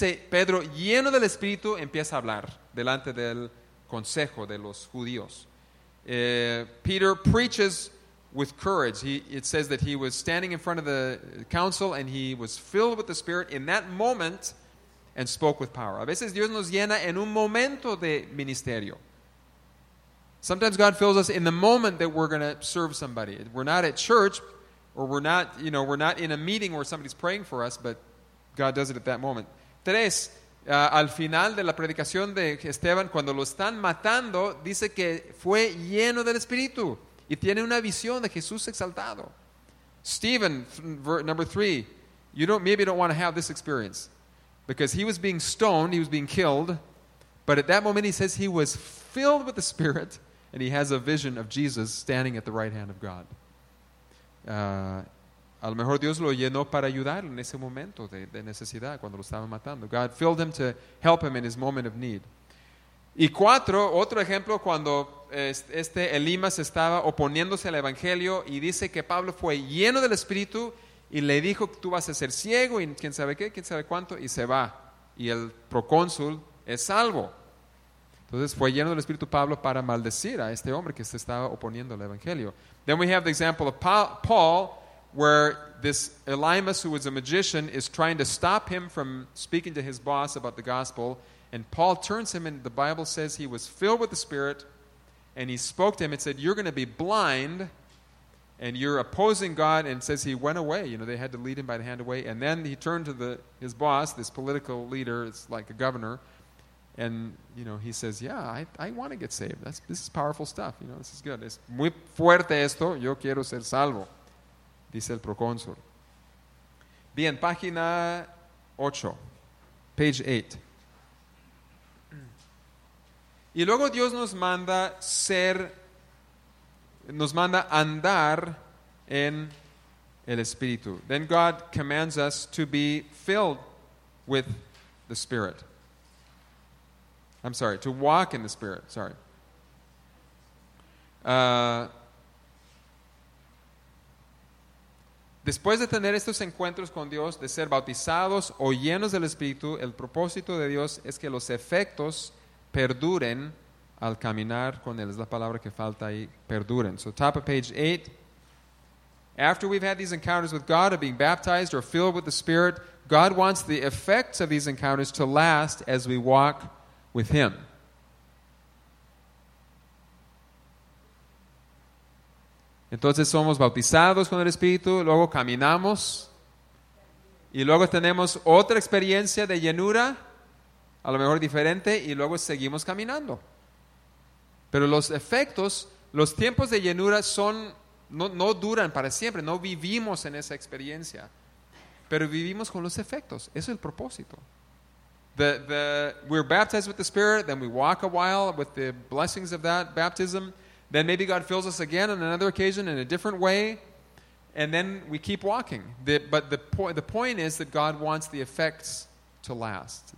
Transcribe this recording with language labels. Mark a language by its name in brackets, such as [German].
[Spanish] Pedro, lleno del Espíritu, empieza a hablar delante del consejo de los judíos. [English] Peter preaches with courage. It says that he was standing in front of the council and he was filled with the Spirit in that moment. And spoke with power. [Spanish] A veces Dios nos llena en un momento de ministerio. [English] Sometimes God fills us in the moment that we're going to serve somebody. We're not at church, or we're not in a meeting where somebody's praying for us, but God does it at that moment. [Spanish] Tres, al final de la predicación de Esteban, cuando lo están matando, dice que fue lleno del Espíritu y tiene una visión de Jesús exaltado. [English] Stephen, number 3, you don't want to have this experience. Because he was being stoned, he was being killed, but at that moment he says he was filled with the Spirit and he has a vision of Jesus standing at the right hand of God. [Spanish] A lo mejor Dios lo llenó para ayudarlo en ese momento de necesidad cuando lo estaban matando. [English] God filled him to help him in his moment of need. [Spanish] Y cuatro, otro ejemplo, cuando este Elimas estaba oponiéndose al evangelio y dice que Pablo fue lleno del Espíritu y le dijo que tú vas a ser ciego y quién sabe qué, quién sabe cuánto, y se va. Y el procónsul es salvo. Entonces fue lleno del Espíritu Pablo para maldecir a este hombre que se estaba oponiendo al evangelio. [English] Then we have the example of Paul, where this Elimas, who was a magician, is trying to stop him from speaking to his boss about the gospel. And Paul turns him, and the Bible says he was filled with the Spirit, and he spoke to him and said, you're going to be blind, and you're opposing God, and says he went away. You know, they had to lead him by the hand away. And then he turned to his boss, this political leader, it's like a governor, and, you know, he says, yeah, I want to get saved. This is powerful stuff. You know, this is good. [Spanish] Es muy fuerte esto. Yo quiero ser salvo, dice el procónsul. Bien, página 8, [English] page 8. [Spanish] Y luego Dios nos manda andar en el Espíritu. [English] Then God commands us to be filled with the Spirit. I'm sorry, to walk in the Spirit, sorry. [Spanish] Después de tener estos encuentros con Dios, de ser bautizados o llenos del Espíritu, el propósito de Dios es que los efectos perduren al caminar con él. Es la palabra que falta ahí, perduren. [English] So top of page 8. After we've had these encounters with God, of being baptized or filled with the Spirit, God wants the effects of these encounters to last as we walk with him. [Spanish] Entonces somos bautizados con el Espíritu, luego caminamos, y luego tenemos otra experiencia de llenura, a lo mejor diferente, y luego seguimos caminando. Pero los efectos, los tiempos de llenura son, no duran para siempre, no vivimos en esa experiencia, pero vivimos con los efectos, eso es el propósito. [English] The we're baptized with the Spirit, then we walk a while with the blessings of that baptism, then maybe God fills us again on another occasion in a different way, and then we keep walking. But the point is that God wants the effects to last.